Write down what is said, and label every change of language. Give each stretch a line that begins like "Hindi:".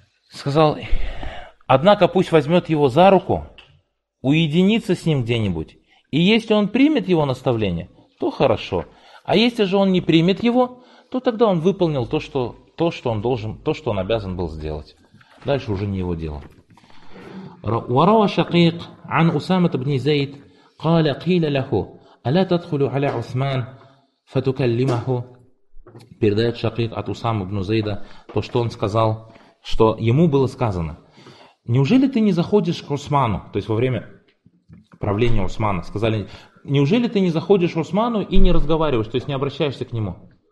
Russian: Сказал, однако пусть возьмет его за руку, уединится с ним где-нибудь. И если он примет его наставление, то хорошо. А если же он не примет его, то тогда он выполнил то, что он обязан был сделать. Дальше уже не его дело.
Arabic: وروى شقيق عن أسامة بن زيد قال قيل له ألا تدخل على عثمان فتكلمه.
Russian: Передает Шакик от Усама ибн Зейда то, что он сказал, что ему было сказано. Неужели ты не заходишь к Усману? То есть во время правления Усмана сказали, неужели ты не заходишь к Усману и не разговариваешь, то есть не обращаешься к нему?